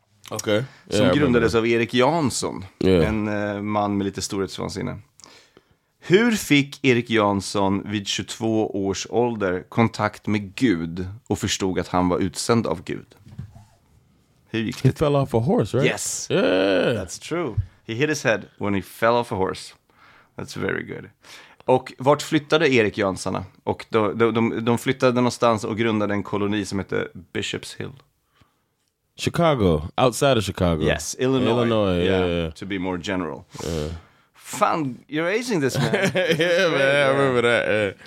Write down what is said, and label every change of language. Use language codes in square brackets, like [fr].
[sv] Okej. Okay. Yeah, som grundades av Erik Jansson. Yeah. En man med lite storhetsvansinne. Hur fick Erik Jansson vid 22 års ålder kontakt med Gud och förstod att han var utsänd av Gud? Hur gick det? [en] He fell off a horse, right? Yes. Yeah. That's true. He hit his head when he fell off a horse. That's very good. [sv] Och vart flyttade Erik Jansson? Och de flyttade någonstans och grundade en koloni som heter Bishop's Hill. [en] Chicago, outside of Chicago. Yes, Illinois. Illinois, yeah. To be more general. Yeah. Fun, you're aging this man. Yeah, this man, great, I remember that.